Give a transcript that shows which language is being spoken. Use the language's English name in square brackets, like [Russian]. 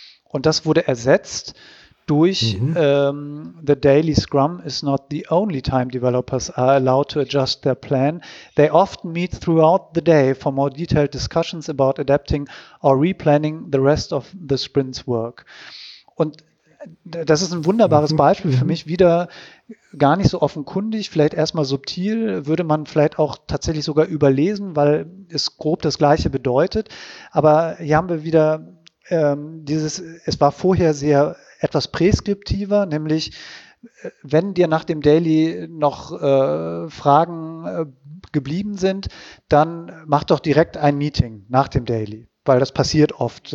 [German] Und das wurde ersetzt durch [English] the daily scrum is not the only time developers are allowed to adjust their plan. They often meet throughout the day for more detailed discussions about adapting or replanning the rest of the sprint's work. [German] Und das ist ein wunderbares Beispiel für mich, wieder gar nicht so offenkundig, vielleicht erstmal subtil, würde man vielleicht auch tatsächlich sogar überlesen, weil es grob das Gleiche bedeutet. Aber hier haben wir wieder es war vorher sehr etwas präskriptiver, nämlich wenn dir nach dem Daily noch Fragen geblieben sind, dann mach doch direkt ein Meeting nach dem Daily, weil das passiert oft.